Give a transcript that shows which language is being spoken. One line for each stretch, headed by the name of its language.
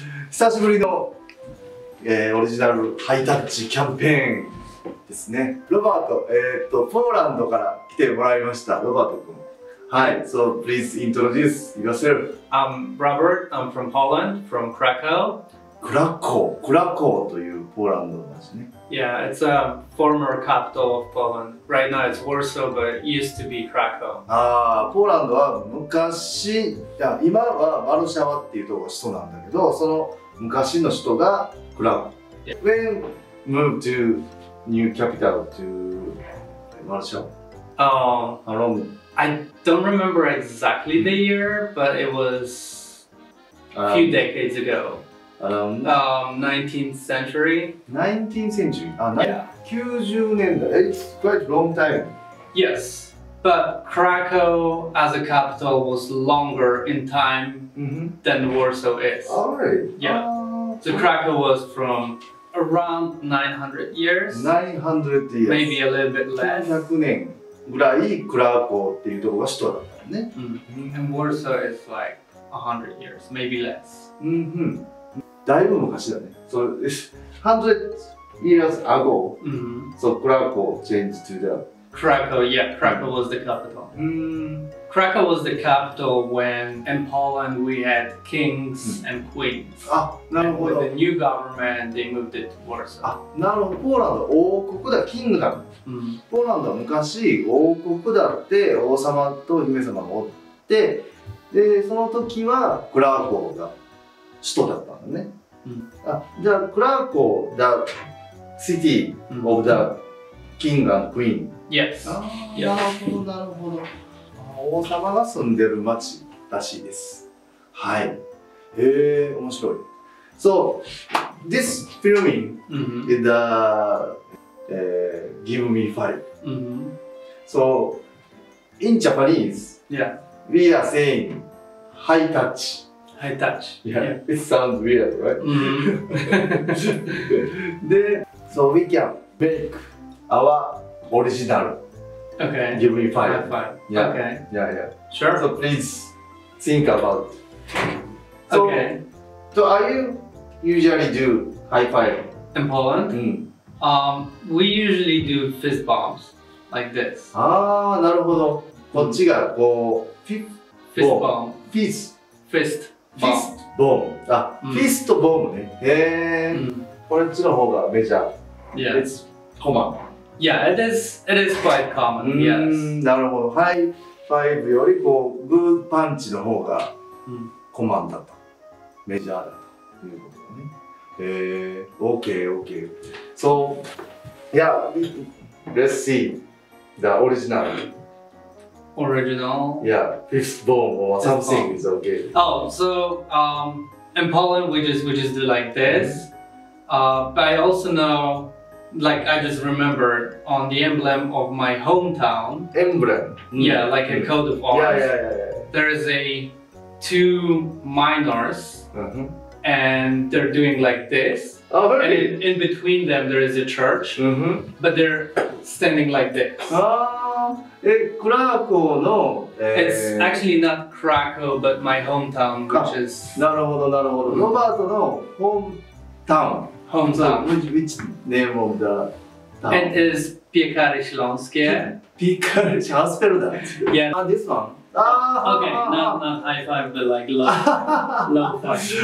Japanese: 久しぶりの、オリジナルハイタッチキャンペーンですね。ロバート、ポーランドから来てもらいました。ロバート君。
English: はい、so please introduce yourself. I'm Robert. I'm from Poland, from Krakow.
Japanese: Krakow というポーランドですね。
English: Yeah, it's a former capital of Poland. Right now it's Warsaw, but it used to be Krakow.
Japanese: ああ、ポーランドは昔、いや、今はワルシャワっていうところが首都なんだけど、その昔の首都がクラコー。
English: Yeah. When moved to new capital to Warsaw? How long? I don't remember exactly the year, but it was a few decades ago. 19th century. 19th century? Yeah.
Japanese: 90年代.
English: It's quite a long time. Yes, but Krakow as a capital was longer in time than Warsaw is. All right. Yeah. So Krakow was from around 900 years. 900 years. Maybe a little bit less.
Japanese: 900年. ぐらいクラコーっていうところが首都だったね。うん。
English: Warsaw is like 100 years, maybe less.
Japanese: うんうん。だいぶ昔だね。
English: So 100 years ago,、
Japanese: mm-hmm.
English: so Krakow changed to the Krakow. Yeah, Krakow was the capital. Krakow was the capital when in Poland we had kings and queens.
Japanese: あ、なるほど。
English: With the new government, they moved it to Warsaw.
Japanese: あ、なるほど。ポーランド王国だ、キングダム。ポーランドは昔王国だって王様と姫様がおって、でその時はクラーコーが首都だったんだね。あ、じゃあクラーコー、
English: the city of the king and queen. Yes.
Japanese: あ、なるほど、なるほど。王様が住んでる町らしいです。はい。へえ、面白い。
English: So, this filming is the Give Me Five. So, in Japanese, yeah. we are saying high touch. High touch. Yeah, it sounds weird, right? で、So we can make our original. Okay. Give me five. Five. Five. Yeah. Okay. Yeah, yeah. Sure. So please think about. So, okay. So are you usually do high five? In Poland? We usually do fist bumps like this.
Japanese: Ah, なるほど。こっちがこう
English: fist bump. Fist. Fist. Fist bump. Ah, fist bump ね。へえ。
Japanese: これっちの方がメジャー。
English: Yeah. It's common. Yeah, it is quite common, yes.
Japanese: なるほど。ハイファイブよりこう、グーパンチの方がコマンだと。メジャーだと。いうことだね。
English: Okay, okay. So, yeah, let's see the original. Original? Yeah, fifth bone or something is okay. Oh, so, in Poland, we just do like this. But I also know... Like, I just remembered on the emblem of my hometown. Emblem? Yeah, like a coat of arms. Yeah. There is a two minors, and they're doing like this. Oh, really? And in between them, there is a church, but they're standing like this. Ah, Krakow, no. It's actually not Krakow, but my hometown, which is.
Japanese: なるほど、なるほど。ロバートの hometown.
English: Hometown. So, which name of the town? It is Piekary Śląskie. Piekary Śląskie, that? Yeah. Ah, this one? Ah! Okay, not high five, but like low five.